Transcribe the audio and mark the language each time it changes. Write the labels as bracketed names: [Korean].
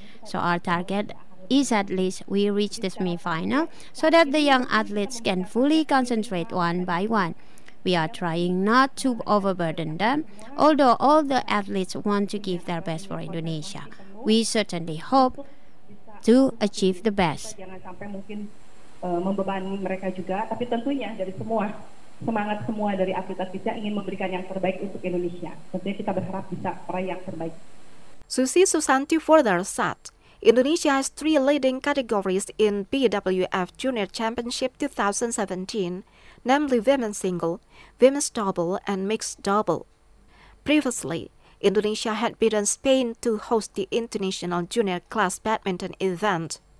[English] So our target is at least we reach the semifinal so that the young athletes can fully concentrate one by one. We are trying not to overburden them, although all the athletes want to give their best for Indonesia. We certainly hope to achieve the best. [Indonesian] Jangan sampai mungkin membebani mereka juga, tapi tentunya dari semua, semangat semua dari atlet-atlet yang ingin memberikan yang terbaik untuk Indonesia. Tentunya kita berharap bisa peraih yang terbaik. [English] Susi Susanti further said, Indonesia has three leading categories in BWF Junior Championship 2017, namely women's single, women's double, and mixed double. Previously, Indonesia had beaten Spain to host the International Junior Class Badminton event.